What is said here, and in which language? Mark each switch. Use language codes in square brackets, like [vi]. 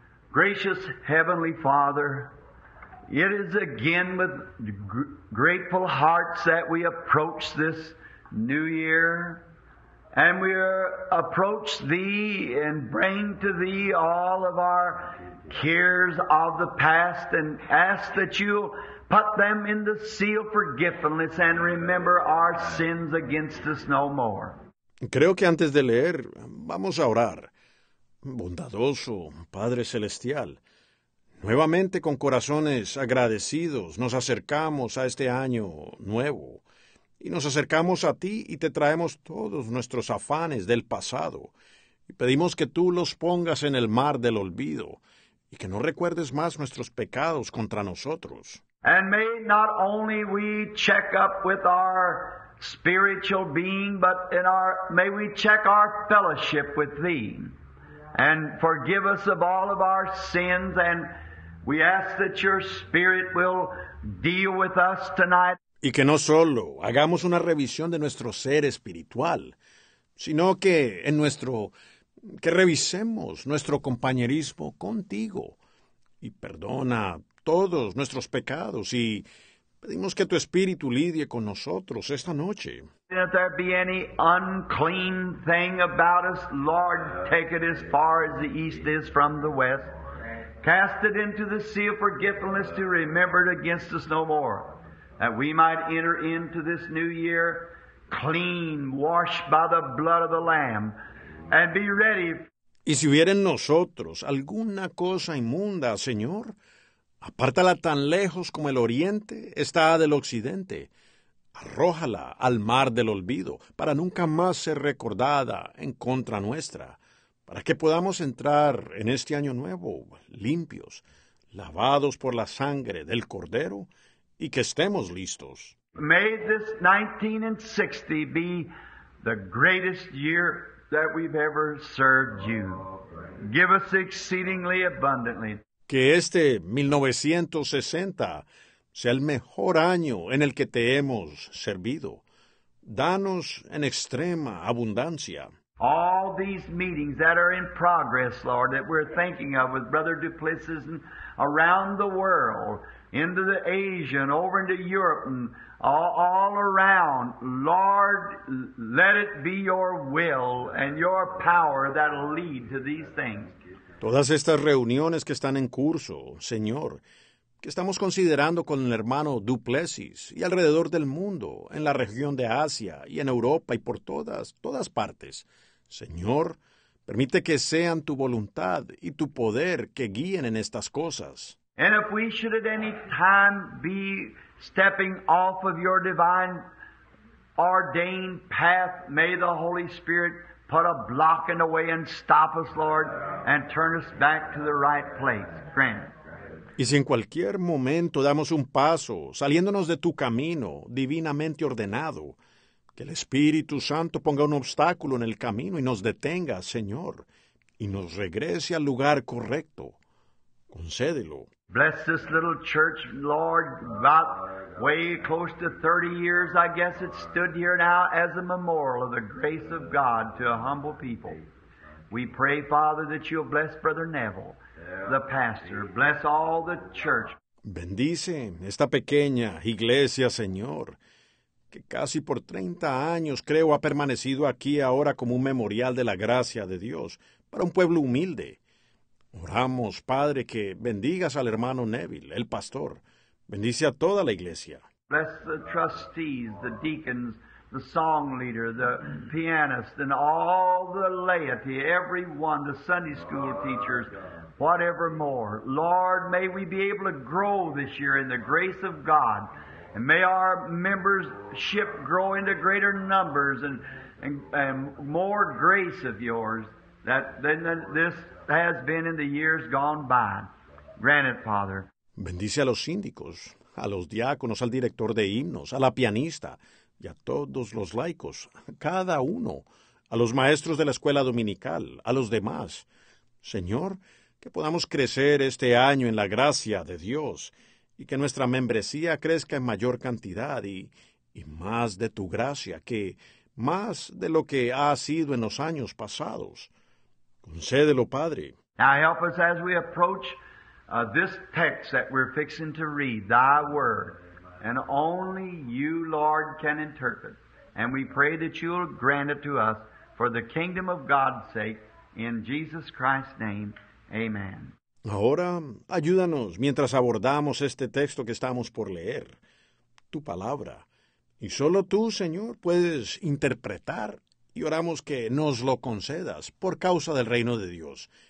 [en] Gracious Heavenly Father, it is again with grateful hearts that we approach this new year, and we approach Thee and bring to Thee all of our cares of the past and ask that You'll put them in the seal of forgiveness and remember our sins against us no more. [es] Creo que antes de leer, vamos a orar. Bondadoso Padre Celestial, nuevamente con corazones agradecidos nos acercamos a este año nuevo y nos acercamos a Ti y te traemos todos nuestros afanes del pasado y pedimos que Tú los pongas en el mar del olvido y que no recuerdes más nuestros pecados contra nosotros. [en] And may not only we check up with our spiritual being, but in our may we check our fellowship with Thee, and forgive us of all of our sins. And we ask that Your Spirit will deal with us tonight. [es] Y que no solo hagamos una revisión de nuestro ser espiritual, sino que en nuestro que revisemos nuestro compañerismo contigo y perdona todos nuestros pecados y pedimos que tu espíritu lidie con nosotros esta noche. [en] If there be any unclean thing about us, Lord, take it as far as the east is from the west. Cast it into the sea of forgetfulness to remember it against us no more, that we might enter into this new year clean, washed by the blood of the Lamb, and be ready. [es] Y si hubiera en nosotros alguna cosa inmunda, Señor, apártala tan lejos como el oriente está del occidente. Arrójala al mar del olvido para nunca más ser recordada en contra nuestra, para que podamos entrar en este año nuevo limpios, lavados por la sangre del Cordero y que estemos listos. [en] May this 1960 be the greatest year that we've ever served you. Give us exceedingly abundantly. [es] Que este 1960 sea el mejor año en el que te hemos servido. Danos en extrema abundancia. [en] All these meetings that are in progress, Lord, that we're thinking of with Brother Duplessis and around the world, into the Asia and over into Europe and all around, Lord, let it be your will and your power that'll lead to these things. [es] Todas estas reuniones que están en curso, Señor, que estamos considerando con el hermano Duplessis y alrededor del mundo, en la región de Asia y en Europa y por todas partes. Señor, permite que sean tu voluntad y tu poder que guíen en estas cosas. [en] And if we should at any time be stepping off of your divine ordained path, may the Holy Spirit put a block in the way and stop us, Lord, and turn us back to the right place. Grant. [es] Y si en cualquier momento damos un paso, saliéndonos de tu camino divinamente ordenado, que el Espíritu Santo ponga un obstáculo en el camino y nos detenga, Señor, y nos regrese al lugar correcto, concédelo. [en] Bless this little church, Lord, about way close to 30 years, I guess it stood here now as a memorial of the grace of God to a humble people. We pray, Father, that you'll bless Brother Neville, the pastor, bless all the church. [es] Bendice esta pequeña iglesia, Señor, que casi por 30 años creo ha permanecido aquí ahora como un memorial de la gracia de Dios para un pueblo humilde. Oramos, Padre, que bendigas al hermano Neville, el pastor. Bendice a toda la iglesia. [en] Bless the trustees, the deacons, the song leader, the pianist, and all the laity, everyone, the Sunday school teachers, whatever more. Lord, may we be able to grow this year in the grace of God, and may our membership grow into greater numbers and more grace of yours than this has been in the years gone by. Grant it, Father. [es] Bendice a los síndicos, a los diáconos, al director de himnos, a la pianista y a todos los laicos, cada uno, a los maestros de la escuela dominical, a los demás. Señor, que podamos crecer este año en la gracia de Dios y que nuestra membresía crezca en mayor cantidad y más de tu gracia, que más de lo que ha sido en los años pasados. Concédelo, Padre. [en] Now help us as we approach this text that we're fixing to read, thy word, and only you, Lord, can interpret. And we pray that you'll grant it to us for the kingdom of God's sake, in Jesus Christ's name, amen. [es] Ahora, ayúdanos mientras abordamos este texto que estamos por leer, tu palabra. Y solo tú, Señor, puedes interpretar y oramos que nos lo concedas por causa del reino de Dios.